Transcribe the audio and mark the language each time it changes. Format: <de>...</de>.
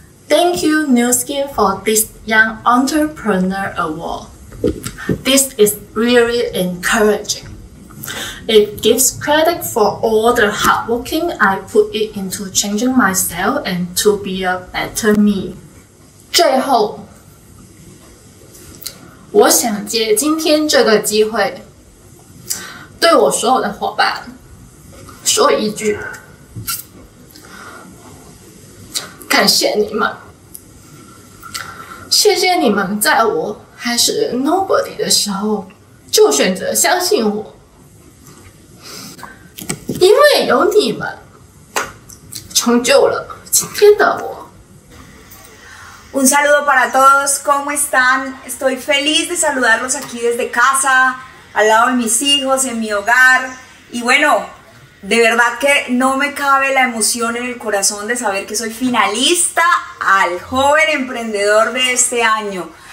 <en>Thank you, New Skin, for this Young Entrepreneur Award. This is really encouraging. It gives credit for all the hard working I put it into changing myself and to be a better me.</en> <zh>最后，我想借今天这个机会，对我所有的伙伴说一句，感谢你们，谢谢你们在我还是 nobody 的时候就选择相信我，因为有你们成就了今天的我。</zh> <es>Un saludo para todos, ¿cómo están? Estoy feliz de saludarlos aquí desde casa, al lado de mis hijos, en mi hogar. Y bueno, de verdad que no me cabe la emoción en el corazón de saber que soy finalista al joven emprendedor de este año.</es>